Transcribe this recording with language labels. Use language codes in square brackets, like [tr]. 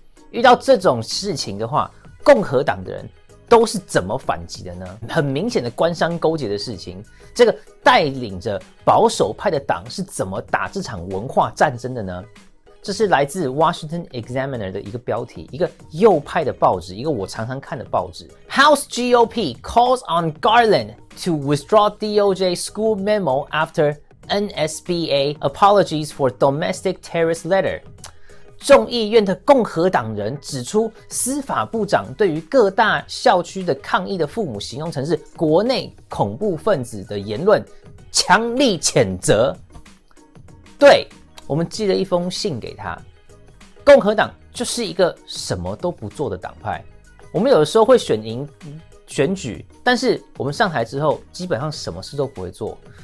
[zh] 遇到这种事情的话，共和党的人都是怎么反击的呢？很明显的官商勾结的事情，这个带领着保守派的党是怎么打这场文化战争的呢？这是来自 Washington Examiner 的一个标题，一个右派的报纸，一个我常常看的报纸。 [en] House GOP calls on Garland to withdraw DOJ school memo after NSBA apologies for domestic terrorist letter。 [zh] 众议院的共和党人指出，司法部长对于各大校区的抗议的父母形容成是国内恐怖分子的言论，强力谴责。对，我们寄了一封信给他。共和党就是一个什么都不做的党派，我们有的时候会选赢选举，但是我们上台之后基本上什么事都不会做。